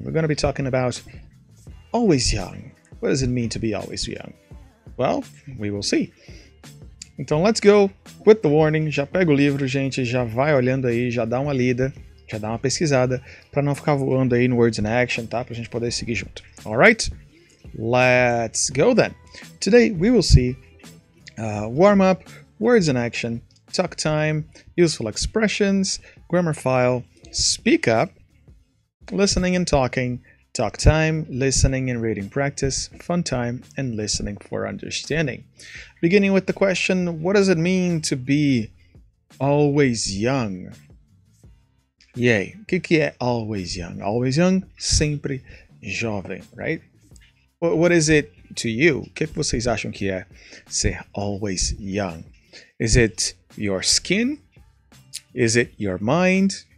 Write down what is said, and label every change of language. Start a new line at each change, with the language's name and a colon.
English: We're going to be talking about always young. What does it mean to be always young? Well, we will see. Então, let's go with the warning.
Portuguese: Já pega o livro, gente, já vai olhando aí, já dá uma lida. Já dá uma pesquisada para não ficar voando aí no Words in Action, tá? Pra gente poder seguir junto.
English: All right? Let's go then. Today we will see warm-up, Words in Action, talk time, useful expressions, grammar file, speak up, listening and talking, talk time, listening and reading practice, fun time, and listening for understanding. Beginning with the question, what does it mean to be always young?
Portuguese: E aí, o que, que é always young? Always young, sempre jovem, right?
English: What is it to you?
Portuguese: O que, que vocês acham que é ser always young?
English: Is it your skin? Is it your mind?